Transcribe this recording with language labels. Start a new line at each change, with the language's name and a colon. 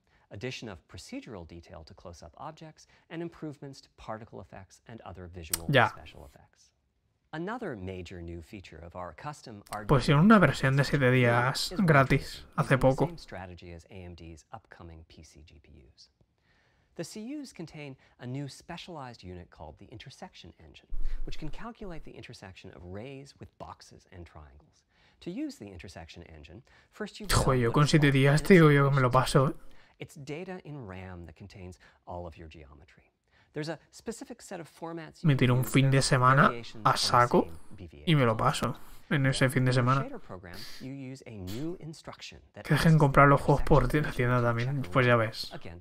English: Addition of procedural detail to close-up objects and improvements to particle effects and other visual special effects. Another major new feature of our custom RGB.
Spanish: Pues en una versión de 7 días gratis hace poco.
English: Strategy as AMD's upcoming PC GPUs. The CUs contain a new specialized unit called the intersection engine, which can calculate the intersection of rays with boxes and triangles. To use the intersection engine, first you.
Spanish: Joder, yo con 7 días, tío, yo me lo paso.
English: It's data in RAM that contains all of your geometry. There's a specific set of formats.
Spanish: Me tiro un fin de semana a saco y me lo paso en ese fin de semana. Que dejen comprar los juegos por la tienda también, pues ya ves.